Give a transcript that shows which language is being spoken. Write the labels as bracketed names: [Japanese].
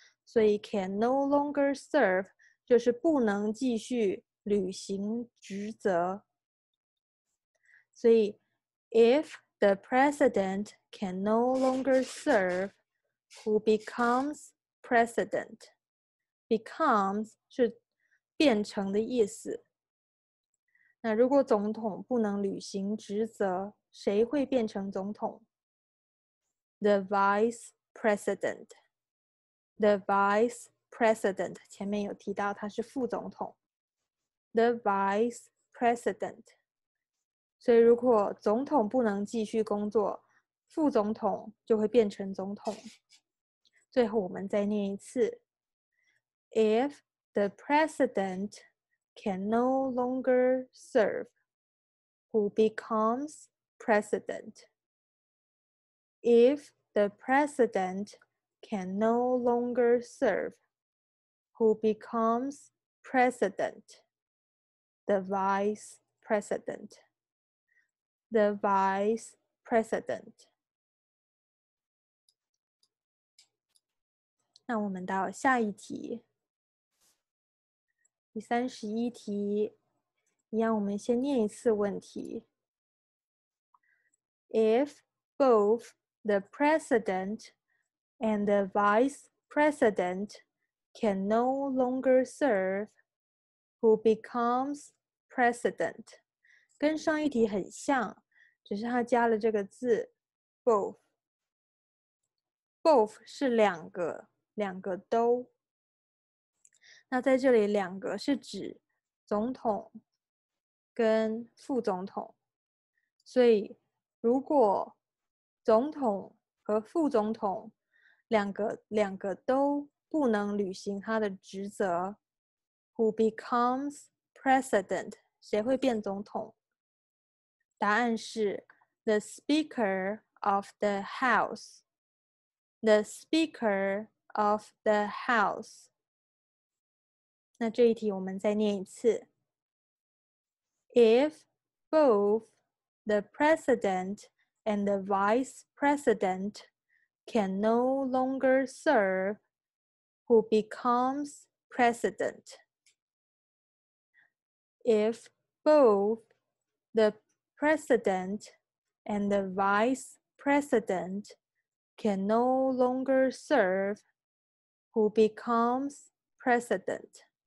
[Chinese] 所以 [English] can no longer serve [Chinese] 就是不能继续履行职责。所以 [English] if the president can no longer serve, who becomes president? [Chinese] Becomes 是变成的意思。那如果总统不能履行职责，谁会变成总统？ [English] The vice president。 The vice president [Chinese] 前面有提到他是副总统。 [English] The vice president。 [Chinese] 所以如果总统不能继续工作，副总统就会变成总统。最后我们再念一次。 [English] If the president can no longer serve, who becomes president? If the president can no longer serve, who becomes president? The vice president. The vice president. [Chinese] 那我们到下一题。第31题，一样我们先念一次问题。 [English] If both the president and the vice president can no longer serve, who becomes president? [Chinese] 跟上一题很像，只是它加了这个字 both。 Both 是两个，两个都。那在这里两个是指总统跟副总统，所以如果总统和副总统两个都不能履行他的职责， [English] who becomes president? [Chinese] 谁会变总统？答案是 [English] the speaker of the house. The speaker of the house. [Chinese] 那这一题我们再念一次。 [English] If both the president and the vice president can no longer serve, who becomes president? If both the president and the vice president can no longer serve, who becomes president?